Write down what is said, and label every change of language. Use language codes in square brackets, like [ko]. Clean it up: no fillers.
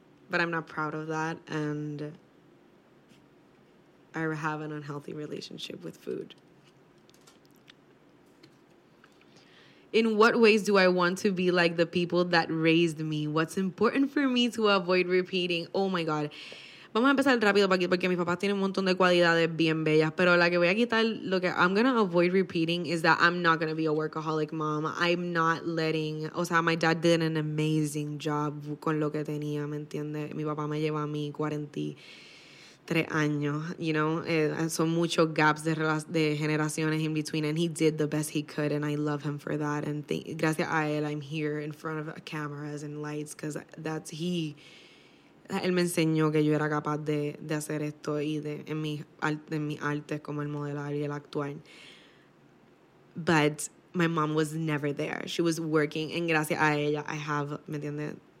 [en] But I'm not proud of that. And I have an unhealthy relationship with food. In what ways do I want to be like the people that raised me? What's important for me to avoid repeating? Oh my God. [es] Vamos a empezar rápido para aquí porque mis papás tienen un montón de cualidades bien bellas. Pero la que voy a quitar, lo que [en] I'm going to avoid repeating is that I'm not going to be a workaholic mom. I'm not letting, [es] o sea, [en] my dad did an amazing job [es] con lo que tenía, ¿me entiendes? Mi papá me lleva a mí 43 años, [en] you know, [es] son muchos gaps de generaciones [en] in between, and he did the best he could, and I love him for that, and [es] gracias a él, [en] I'm here in front of cameras and lights, because that's he, [es] él me enseñó que yo era capaz de hacer esto, y de en mi arte como el modelar y el actuar, [en] but my mom was never there, she was working, and [es] gracias a ella, [en] I have, [es] ¿me entiendes?